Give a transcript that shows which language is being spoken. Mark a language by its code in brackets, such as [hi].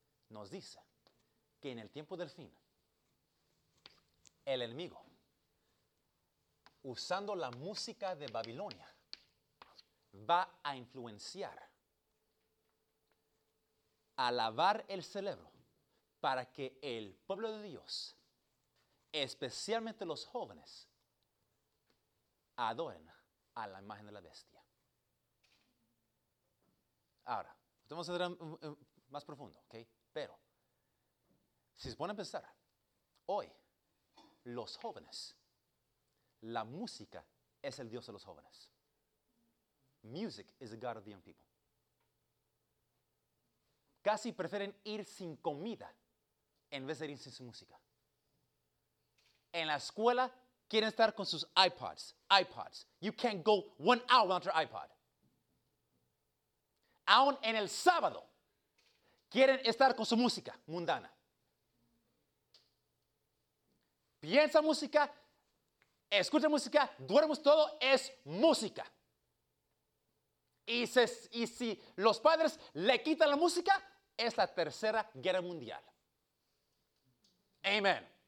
[es] Nos dice que en el tiempo del fin, el enemigo, usando la música de Babilonia, va a influenciar, a lavar el cerebro para que el pueblo de Dios, especialmente los jóvenes, adoren a la imagen de la bestia. Ahora, vamos a entrar más profundo, ¿ok? Pero, si se pone a pensar, hoy, los jóvenes, la música es el Dios de los jóvenes. [en] Music is the God of the young people. [es] Casi prefieren ir sin comida en vez de ir sin su música. En la escuela quieren estar con sus iPods. [en] iPods. You can't go 1 hour without your iPod. [es] Aún en el sábado quieren estar con su música mundana. Piensa música, escucha música, duermes todo, es música. Y si los padres le quitan la música, es la tercera guerra mundial. Amén.